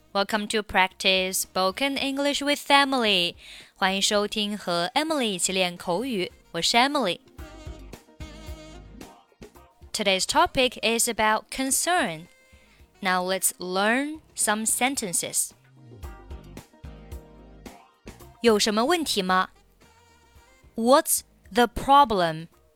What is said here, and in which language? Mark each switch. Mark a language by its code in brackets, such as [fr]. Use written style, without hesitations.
[en] Welcome to Practice Spoken English with Emily. [zh] 欢迎收听和 Emily 一起练口语。我是 Emily. [en] Today's topic is about concern. Now let's learn some sentences. [zh] 有什么问题吗? What's the problem?